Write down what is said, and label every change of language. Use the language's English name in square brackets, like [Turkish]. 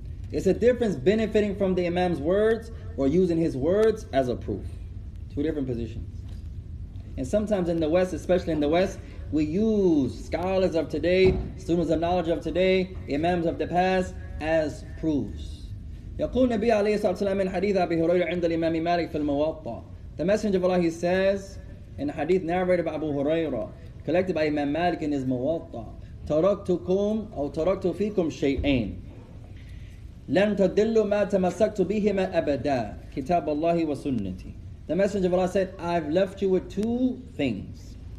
[English] It's a difference benefiting from the imam's words or using his words as a proof. Two different positions. And sometimes in the West, especially in the West, we use scholars of today, students of knowledge of today, imams of the past as proofs. [Arabic] يقول النبي عليه الصلاة والسلام من حديث أبي هريرة عند الإمام مالك في الموطأ. [English] The Messenger of Allah, he says, in a hadith narrated by Abu Huraira, collected by Imam Malik in his Muwatta, [Arabic] تركتكم أو تركت فيكم شيئين لن تدلوا ما تمسكت بهما أبدا كتاب الله وسنتي. [English] The Messenger of Allah said, I've left you with two things.